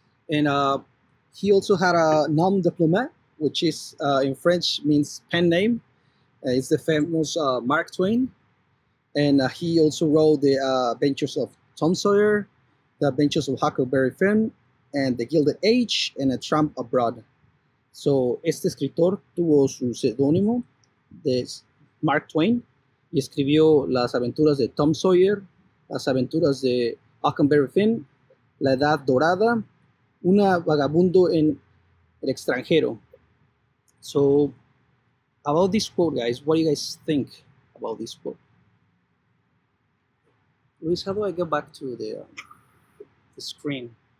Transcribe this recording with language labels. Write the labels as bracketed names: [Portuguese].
[English] And he also had a nom diplomat, which is in French means pen name. It's the famous Mark Twain. And he also wrote The Adventures of Tom Sawyer, The Adventures of Huckleberry Finn, and The Gilded Age, and A Tramp Abroad. [Spanish] So este escritor tuvo su seudónimo de Mark Twain y escribió Las Aventuras de Tom Sawyer, Las Aventuras de Huckleberry Finn, La Edad Dorada, Una Vagabundo en el Extranjero. [English] So, about this quote, guys, what do you guys think about this quote? Luis, how do I get back to the screen?